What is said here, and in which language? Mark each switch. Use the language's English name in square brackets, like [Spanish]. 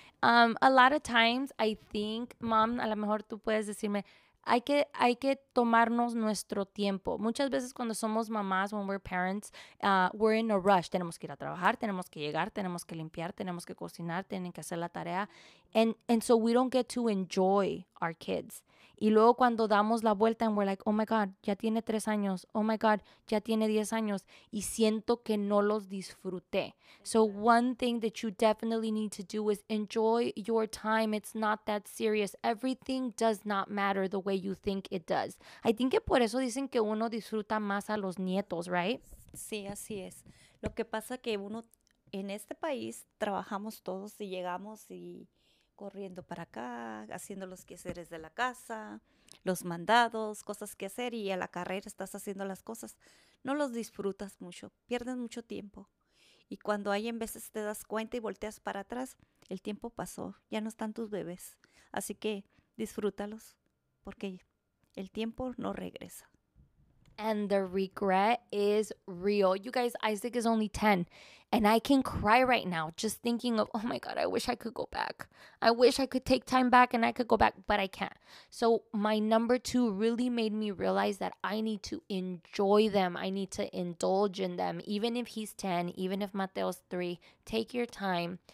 [English] A lot of times, I think, [Spanish] mom, a lo mejor tú puedes decirme, hay que tomarnos nuestro tiempo. Muchas veces cuando somos mamás, [English] when we're parents, we're in a rush. [Spanish] Tenemos que ir a trabajar, tenemos que llegar, tenemos que limpiar, tenemos que cocinar, tienen que hacer la tarea. [English] And so we don't get to enjoy our kids. [Spanish] Y luego cuando damos la vuelta [English] and we're like, oh my God, [Spanish] ya tiene 3 años. [English] Oh my God, [Spanish] ya tiene 10 años. Y siento que no los disfruté. [English] So one thing that you definitely need to do is enjoy your time. It's not that serious. Everything does not matter the way you think it does. I think [Spanish] que por eso dicen que uno disfruta más a los nietos, [English] right? [Spanish] Sí, así es. Lo que pasa que uno, en este país, trabajamos todos y llegamos y corriendo para acá, haciendo los quehaceres de la casa, los mandados, cosas que hacer, y a la carrera estás haciendo las cosas. No los disfrutas mucho, pierdes mucho tiempo. Y cuando hay en veces te das cuenta y volteas para atrás, el tiempo pasó, ya no están tus bebés. Así que disfrútalos, porque el tiempo no regresa. [English] And the regret is real. You guys, Isaac is only 10. And I can cry right now just thinking of, oh my God, I wish I could go back. I wish I could take time back and I could go back, but I can't. So my number two really made me realize that I need to enjoy them. I need to indulge in them. Even if he's 10, even if Mateo's 3, take your time.